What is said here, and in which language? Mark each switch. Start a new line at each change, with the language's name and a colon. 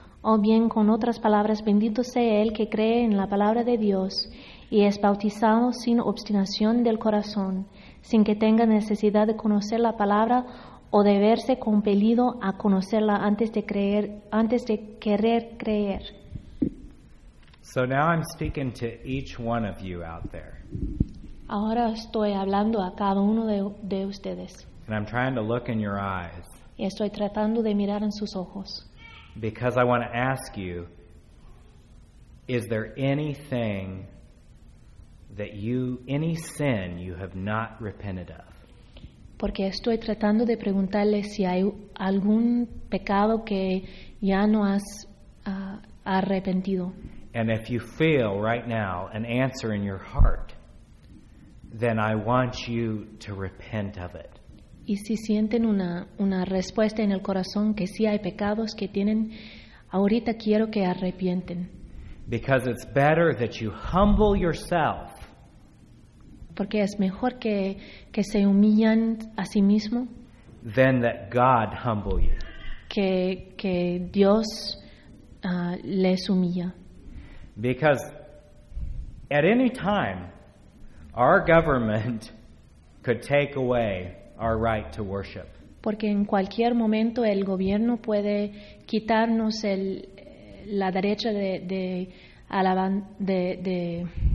Spanish: O bien, con otras palabras, bendito sea el que cree en la palabra de Dios y es bautizado sin obstinación del corazón, sin que tenga necesidad de conocer la palabra o de verse compelido a conocerla antes de querer creer.
English: So now I'm speaking to each one of you out there.
Spanish: Ahora estoy hablando a cada uno de ustedes.
English: And I'm trying to look in your eyes.
Spanish: Y estoy tratando de mirar en sus ojos.
English: Because I want to ask you, is there anything that you, any sin you have not repented of?
Spanish: Porque estoy tratando de preguntarle si hay algún pecado que ya no has arrepentido.
English: And if you feel right now an answer in your heart, then I want you to repent of it.
Spanish: Y si sienten una respuesta en el corazón que sí hay pecados que tienen, ahorita quiero que arrepienten.
English: Because it's better that you humble yourself.
Spanish: Porque es mejor que se humillan a sí mismo.
English: Than that God humble you.
Spanish: Que Dios les humilla.
English: Because at any time, our government could take away our right to worship.
Spanish: Porque en cualquier momento el gobierno puede quitarnos la derecha de alaban de